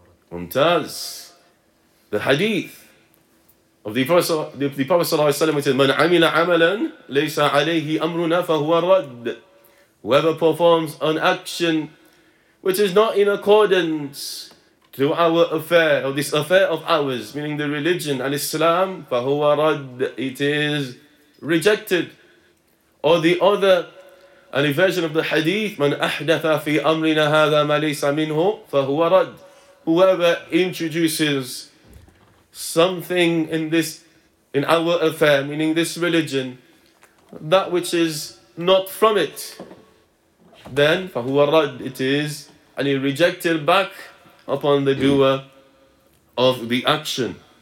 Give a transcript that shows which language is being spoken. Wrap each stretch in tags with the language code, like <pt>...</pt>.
<en>Mumtaz. The hadith of the Prophet sallallahu alaihi wasallam,</en> <ar>"Man 'amila 'amalan laysa 'alayhi amruna fa huwa radd."</ar> <en>Whoever performs an action which is not in accordance to our affair, or this affair of ours, meaning the religion and Islam,</en> <ar>فَهُوَ رَدْ,</ar> <en>it is rejected. Or the other, an version of the hadith,</en> <ar>مَنْ أَحْدَثَ فِي أَمْرِنَا هَذَا مَا لَيْسَ مِنْهُ فَهُوَ رَدْ.</ar> <en>Whoever introduces something in this, in our affair, meaning this religion, that which is not from it, then</en> <ar>فَهُوَ رَدْ,</ar> <en>it is, and he rejected back upon the doer of the action.</en>